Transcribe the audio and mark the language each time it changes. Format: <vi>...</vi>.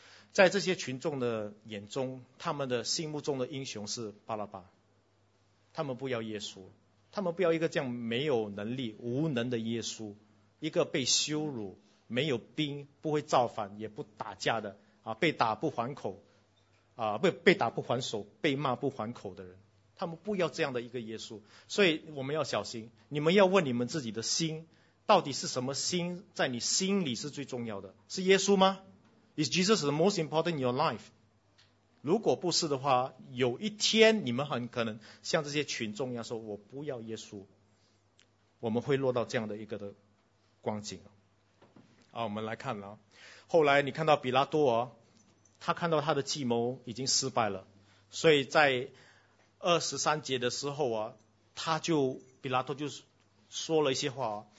<zh>在这些群众的眼中，他们的心目中的英雄是巴拉巴，他们不要耶稣，他们不要一个这样没有能力无能的耶稣，一个被羞辱没有兵不会造反也不打架的啊，被打不还口啊，被打不还手，被骂不还口的人，他们不要这样的一个耶稣。所以我们要小心，你们要问你们自己的心，到底是什么心在你心里是最重要的？是耶稣吗？</zh> <en>Is Jesus the most important in your life？</en> <zh>如果不是的话，有一天你们很可能像这些群众一样说我不要耶稣，我们会落到这样的一个的光景。啊，我们来看了，后来你看到比拉多啊，他看到他的计谋已经失败了，所以在23节的时候啊，比拉多就说了一些话啊。</zh>